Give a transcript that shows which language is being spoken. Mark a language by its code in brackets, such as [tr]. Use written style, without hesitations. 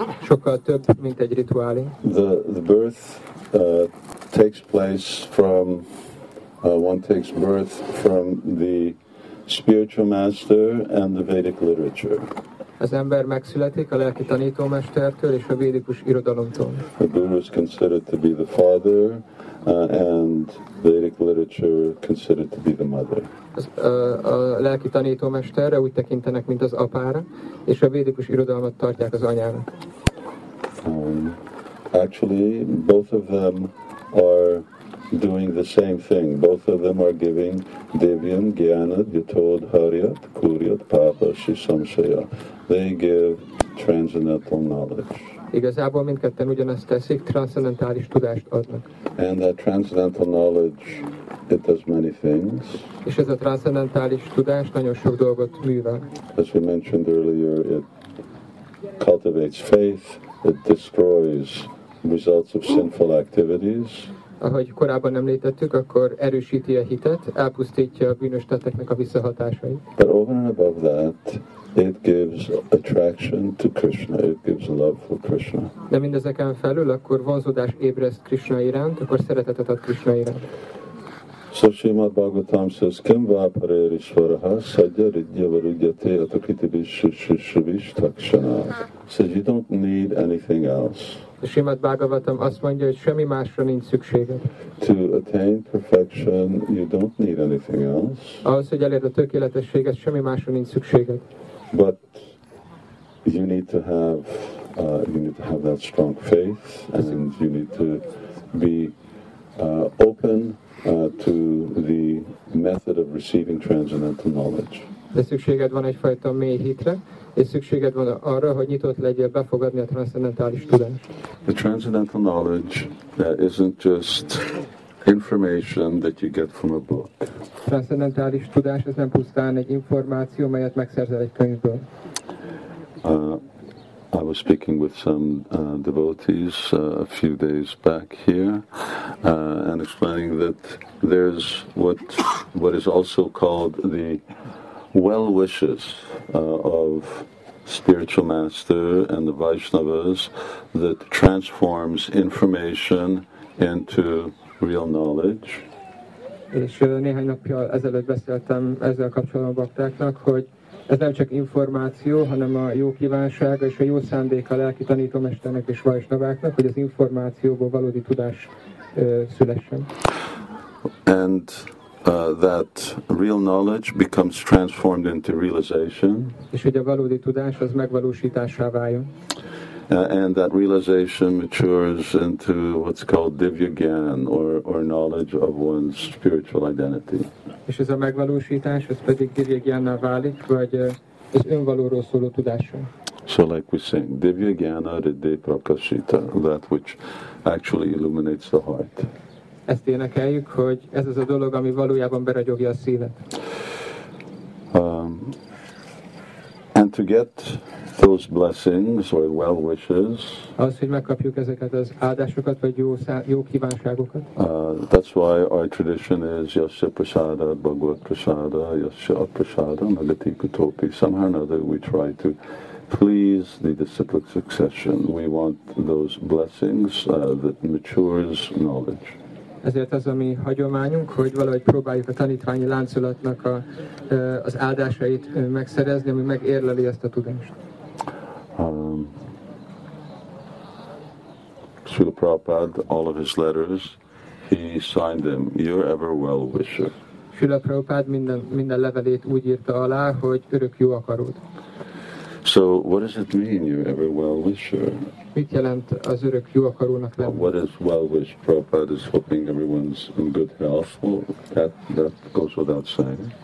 [hu] Sokkal több, mint egy rituálé. [en] The birth takes place from one takes birth from the spiritual master and the Vedic literature. [hu] Az ember megszületik a lelki tanítómestertől és a védikus irodalomtól. [en] The Guru is considered to be the father, and Vedic literature considered to be the mother. [hu] A lelki tanítómesterre úgy tekintenek, mint az apára, és a védikus irodalmat tartják az anyának. [en] Actually, both of them are doing the same thing. Both of them are giving [sa] Divyam, Gyanat, Yatod, Hariat, Kuriat, Papa, Shisamsaya. [en] They give transcendental knowledge. [hu] Igazából mindketten ugyanezt teszik, transzendentális tudást adnak. [en] And that transcendental knowledge, it does many things. [hu] És ez a transzendentális tudás nagyon sok dolgot művel. [en] As we mentioned earlier, it cultivates faith, it destroys results of sinful activities. [hu] Ahogy korábban említettük, akkor erősíti a hitet, elpusztítja a bűnös tetteknek a visszahatásait. [en] But over and above that, it gives attraction to Krishna, it gives love for Krishna. [hu] De mindezeken felül, akkor vonzódás ébreszt Krishna iránt, akkor szeretetet ad Krishna iránt. [en] So Srimad Bhagavatam says, [sa] Kim vāpare rishvaraha sajya ridya varujyate atakiti vishushushuvish takshana. [en] Says, you don't need anything else. [hu] A Srimad Bhagavatam azt mondja, hogy semmi másra nincs szükséged. [en] To attain perfection, you don't need anything else. [hu] Ahhoz, hogy elérd a tökéletességet, semmi másra nincs szükséged. [en] But you need to have that strong faith, and you need to be open to the method of receiving transcendental knowledge. [hu] De szükséged van egyfajta mély hitre, és szükséged van arra, hogy nyitott legyél befogadni a transzendentális tudást. [en] The transcendental knowledge that isn't just information that you get from a book. [hu] Transzendentális tudás ez nem pusztán egy információ, melyet megszerzel egy könyvből. [en] I was speaking with some devotees a few days back here, and explaining that there's what is also called the well wishes of spiritual master and the Vaishnavas that transforms information into real knowledge. [hu] És néhány napja ezelőtt beszéltem ezzel kapcsolatban baktáknak, hogy ez nem csak információ, hanem a jó kívánsága és a jó szándék a lelki tanítómesternek és Vaishnaváknak, hogy az információból valódi tudás szülessen. [en] And that real knowledge becomes transformed into realization. [hu] És hogy a valódi tudás az megvalósítássá váljon. [en] And that realization matures into what's called divya gyan or knowledge of one's spiritual identity. [hu] És ez a megvalósítás, ez pedig divya gyánnal válik, vagy az önvalóról szóló tudásra. [en] So like we sing, [sa] divya gyana riddhi prakashita, [en] that which actually illuminates the heart. [hu] Ezt énekeljük, hogy ez az a dolog, ami valójában beragyogja a szívet. [en] And to get those blessings or well wishes. [hu] Az, hogy megkapjuk ezeket az áldásokat vagy jó kívánságokat. [en] That's why our tradition is [sa] yasya prasada, bhagavat prasada, yasya aprasada, nagati kutopi. [en] Somehow or another we try to please the disciplic succession. We want those blessings that matures knowledge. [hu] Ezért az a mi hagyományunk, hogy valahogy próbáljuk a tanítványi láncolatnak az áldásait megszerezni, ami megérleli ezt a tudást. [en] Srila Prabhupada, all of his letters, he signed them, "Your ever well wisher." [hu] Srila Prabhupada minden levelét úgy írta alá, hogy örök jó akarod. [en] So what does it mean, "your ever well wisher"? [hu] Mit jelent az örök jó akarónak lenni? [en] What is well wish? Prabhupada is hoping everyone's in good health. Well, that goes without saying.